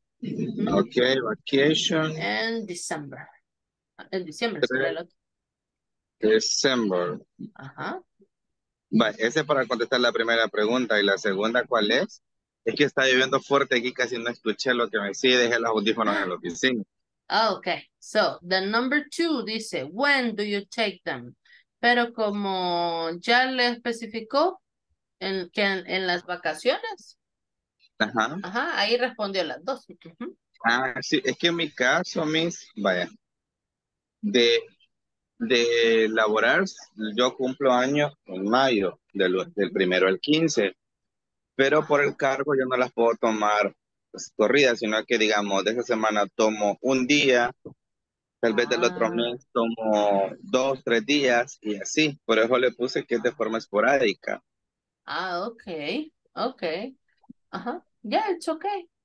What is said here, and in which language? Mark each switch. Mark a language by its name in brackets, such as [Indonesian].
[English] Okay, vacation. And December. [Spanish] En diciembre sería el otro. [English] December. Ajá. [Spanish] Vale, ese para contestar la primera pregunta. ¿Y la segunda cuál es? Es que está lloviendo fuerte aquí, casi no escuché lo que me decía, dejé los audífonos en la oficina. [English] Okay, so the number two [Spanish] dice, [English] when do you take them? [Spanish] Pero como ya le especificó en las vacaciones. Ajá. Ajá, ahí respondió las dos. Uh-huh. Ah, sí, es que en mi caso, Miss, vaya, de laborar, yo cumplo años en mayo, del primero al 15, pero por el cargo yo no las puedo tomar corrida, sino que digamos de esa semana tomo un día, tal vez del otro mes tomo dos, tres días y así. Por eso le puse que es de forma esporádica. [English] Ah, okay, okay, ajá, ya, yeah, it's okay.